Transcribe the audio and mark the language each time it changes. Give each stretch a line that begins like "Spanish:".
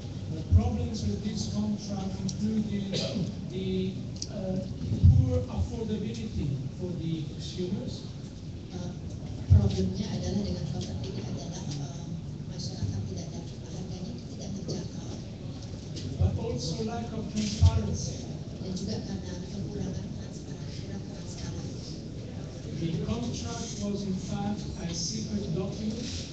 English: The problems with this contract included the poor affordability for the consumers.
Indonesian: Problemnya adalah dengan kontrak ini adalah masyarakat tidak dapat, harganya tidak terjangkau.
English: But also lack of transparency.
Indonesian: Dan juga karena kekurangan transparansi.
English: The contract was in fact a secret document.